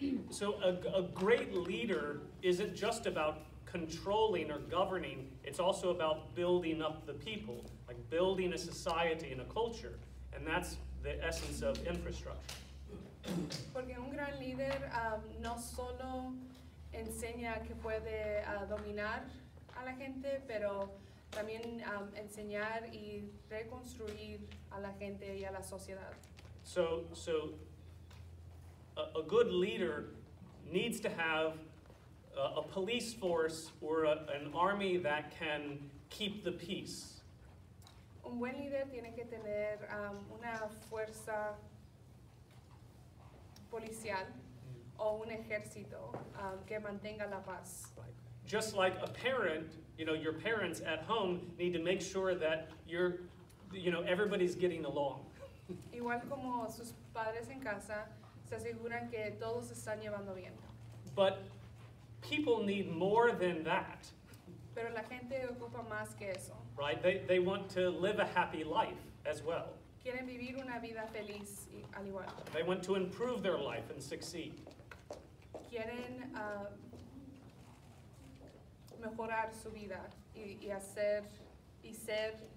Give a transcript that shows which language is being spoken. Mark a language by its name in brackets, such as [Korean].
[English] So a great leader isn't just about controlling or governing. It's also about building up the people, like building a society and a culture. And that's the essence of infrastructure. [Spanish] Porque un gran líder no solo enseña que puede dominar a la gente, pero... también enseñar y reconstruir a la gente y a la sociedad. [English] So a good leader needs to have a police force or an army that can keep the peace. [Spanish] Un buen líder tiene que tener una fuerza policial o un ejército que mantenga la paz. [English] Right. Just like a parent, you know, your parents at home need to make sure that you're, you know, everybody's getting along. [Spanish] Igual como sus padres en casa se aseguran que todos están llevando bien. [English] But people need more than that. [Spanish] Pero la gente ocupa más que eso. [English] Right? They want to live a happy life as well. [Spanish] Quieren vivir una vida feliz al igual. [English] They want to improve their life and succeed. [Spanish] Quieren mejorar su vida y hacer y ser